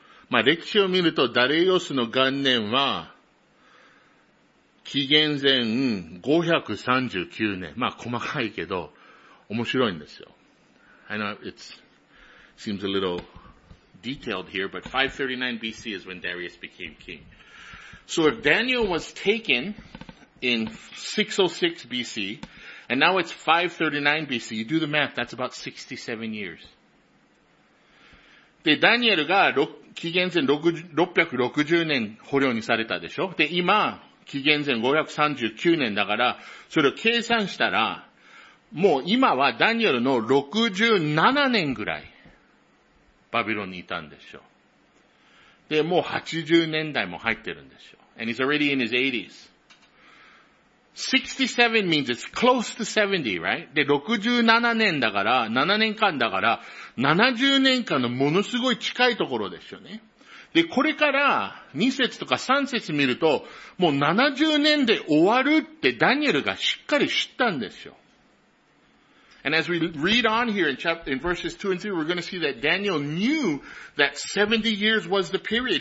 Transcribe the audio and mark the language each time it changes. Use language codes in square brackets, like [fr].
[ja] まあ、歴史を見ると、ダレイオスの元年は、紀元前539年。まあ、細かいけど、面白いんですよ。 [en] I know it seems a little detailed here, but 539 BC is when Darius became king. So if Daniel was taken in 606 BC, and now it's 539 BC, you do the math, that's about 67 years. [ja] で、ダニエルが紀元前660年捕虜にされたでしょ? で、今、紀元前539年だから、それを計算したら、もう今はダニエルの67年ぐらい、バビロンにいたんでしょう。で、もう80年代も入ってるんでしょう。 [en] And he's already in his 80s. 67 means it's close to 70, right? [ja] で、67年だから、7年間だから、70年間のものすごい近いところですよね。で、これから2節とか3節見ると、もう70年で終わるってダニエルがしっかり知ったんですよ。 [en] And as we read on here in verses 2 and 3, we're going to see that Daniel knew that 70 years was the period.